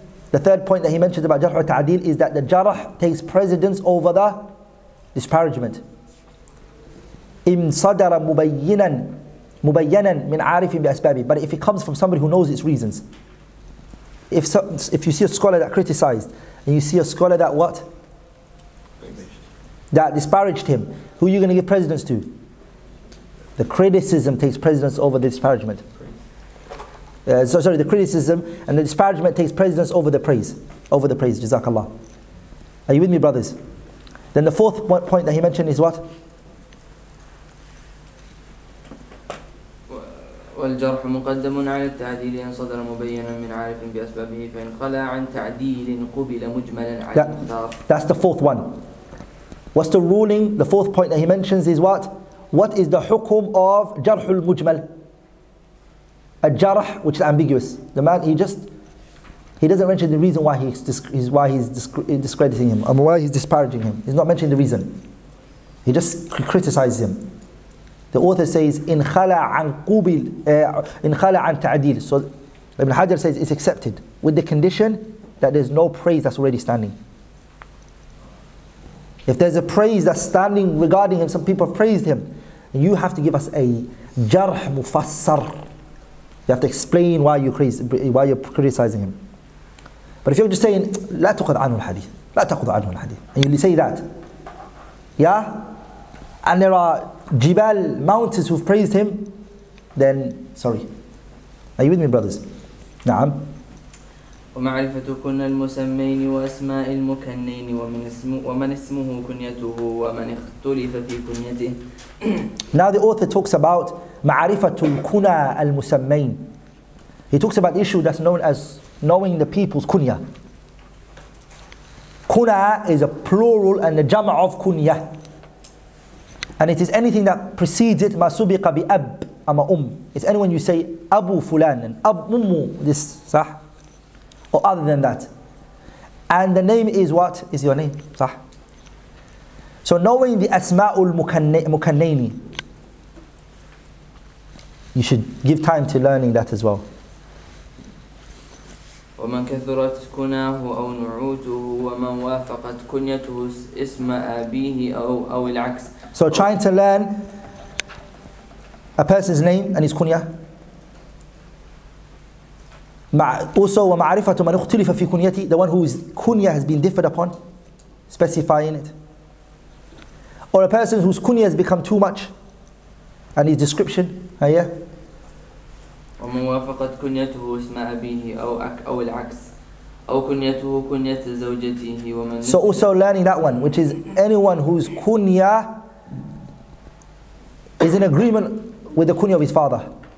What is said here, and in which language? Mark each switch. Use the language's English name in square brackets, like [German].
[English] The third point that he mentions about jarh wa ta'adil is that the jarh takes precedence over the disparagement. [Arabic] إِمْ صَدَرَ مُبَيِّنًا مِنْ عَارِفٍ بِأَسْبَابِهِ. [English] But if it comes from somebody who knows its reasons. If you see a scholar that criticized, and you see a scholar that what? That disparaged him. Who are you going to give precedence to? The criticism takes precedence over the disparagement. The criticism and the disparagement takes precedence over the praise. Over the praise, jazakallah. Are you with me, brothers? Then the fourth point that he mentioned is what? [Arabic] والجرح مقدم على التعديل إن صدر مبينا من عارف بأسبابه فإن خلا عن تعديل قبل مجملا على المختار. [English] That's the fourth one. What's the ruling? The fourth point that he mentions is what? What is the hukum of jarh al-mujmal? A jarh which is ambiguous. The man, he doesn't mention the reason why he's disparaging him. He's not mentioning the reason. He just criticizes him. The author says, in khala an qubil, in khala an ta'adil. So Ibn Hajar says it's accepted with the condition that there's no praise that's already standing. If there's a praise that's standing regarding him, some people have praised him. And you have to give us a jarh mufassar. You have to explain why you're criticizing him. But if you're just saying, لا تقد عنه الحديث, لا لا تأخذ عنه الحديث. And you say that. Yeah? And there are jibal mountains who've praised him. Then, sorry. Are you with me, brothers? نعم. [Arabic] ومعرفة كن المسمين وأسماء المكنين ومن اسم ومن اسمه كنيته ومن اختلف في كنيته. [English] Now the author talks about معرفة كن المسمين. He talks about the issue that's known as knowing the people's kunya. Kunya is a plural and the jama of kunya. And it is anything that precedes it, ma subiqa bi ab ama It's anyone you say abu fulan and ab ummu, this, sah? Or other than that. And the name is what? Is your name, sah? So knowing the asma'ul mukannaini, you should give time to learning that as well. [Arabic] ومن كثرت كناه أو نعوته ومن وافقت كنيته اسم أبيه أو العكس. [English] So trying to learn a person's name and his kunya. Also ومعرفة من اختلف في كنيته, the one whose kunya has been differed upon, specifying it. Or a person whose kunya has become too much and his description. Yeah. [Arabic] ومن وافقت كنيته اسم أبيه أو العكس أو كنيته كنية زوجته ومن [English] So also learning that one, which is anyone whose kunya is in agreement with the kunya of his father.